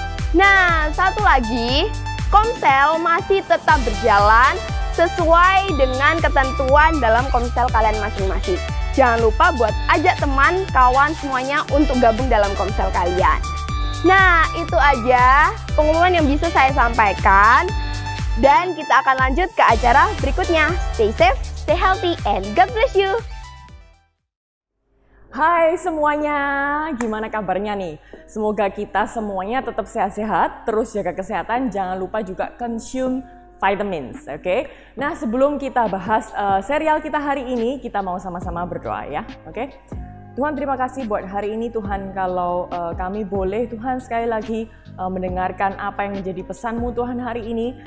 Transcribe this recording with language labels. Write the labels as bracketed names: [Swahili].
[Indonesian] Nah, satu lagi, Komsel masih tetap berjalan sesuai dengan ketentuan dalam Komsel kalian masing-masing. Jangan lupa buat ajak teman, kawan semuanya untuk gabung dalam Komsel kalian. Nah, itu aja pengumuman yang bisa saya sampaikan. Dan kita akan lanjut ke acara berikutnya. [English] Stay safe, stay healthy, and God bless you! [Indonesian] Hai semuanya, gimana kabarnya nih? Semoga kita semuanya tetap sehat-sehat, terus jaga kesehatan, jangan lupa juga [English] consume vitamins, [Indonesian] oke? Okay? Nah, sebelum kita bahas serial kita hari ini, kita mau sama-sama berdoa ya, oke? Okay? Tuhan, terima kasih buat hari ini Tuhan, kalau kami boleh Tuhan sekali lagi mendengarkan apa yang menjadi pesan-Mu Tuhan hari ini.